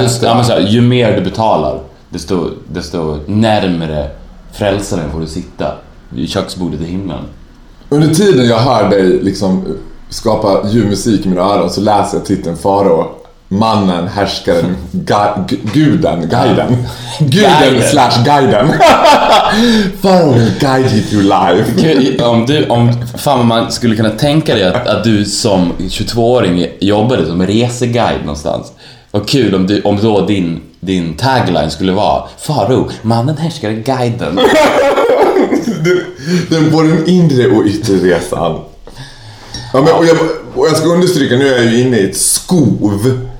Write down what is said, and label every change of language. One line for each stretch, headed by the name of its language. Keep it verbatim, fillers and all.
Swedish: Alltså, ja, men så här, ju mer du betalar desto, desto närmare frälsaren får du sitta i köksbordet i himlen. Under tiden jag hör dig liksom skapa ljudmusik i mina öron så läser jag titeln Farao, mannen, härskaren, ga- g- guden, guiden. Guden slash guiden.
English: Farao will guide you through life.
Swedish: Om du, om, fan man skulle kunna tänka dig att, att du som tjugotvååring jobbade som reseguide någonstans. Vad kul om, du, om då din, din tagline skulle vara Farao, mannen, härskaren, guiden. Den var den inre och yttre resan. Ja, men, och, jag, och jag ska understryka, nu är jag ju inne i ett skov.